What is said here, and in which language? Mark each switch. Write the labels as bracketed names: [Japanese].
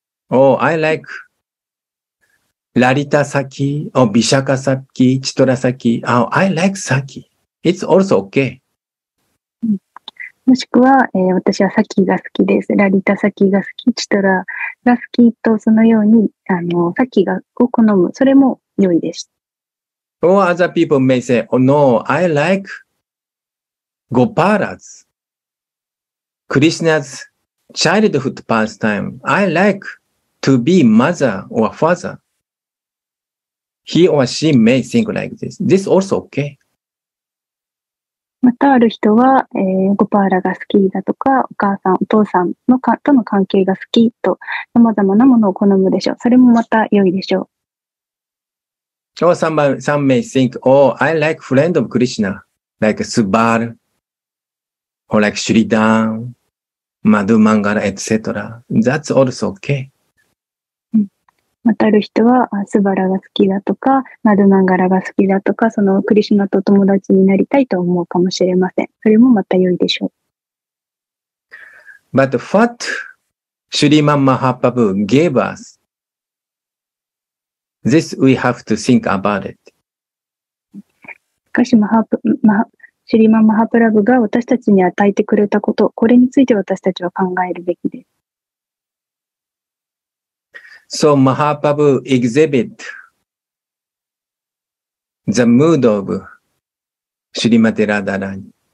[English] I like Larita Saki, or Bishaka Saki, Chitora Saki. I like Saki. It's also okay. [Japanese] もしくは、私はサキが好きです。ラリタサキが好き、チトラが好きと、そのように、サキが、を好む。それも良いです。 [English] Or other people may say, I like Gopalas. Krishna's childhood pastime. I like to be mother or father. He or she may think like this. This also okay. [Japanese] またある人は、ゴパーラが好きだとか、お母さん、お父さんのかとの関係が好きと、さまざまなものを好むでしょう。それもまた良いでしょう。 [English] Or some may think, I like friend of Krishna, like Subaru, or like Shridhan. マドゥマンガラ、エセトラ。 That's also okay. [Japanese] またある人は、スバラが好きだとか、マドゥマンガラが好きだとか、そのクリシナと友達になりたいと思うかもしれません。それもまた良いでしょう。 [English] But what Shriman Mahaprabhu gave us, this we have to think about it. [Japanese] しかし、シュリーマン・マハプラブが私たちに与えてくれたこと、これについて私たちは考えるべきです。 [English] So, Mahaprabhu exhibit The mood of Srimati Radharani.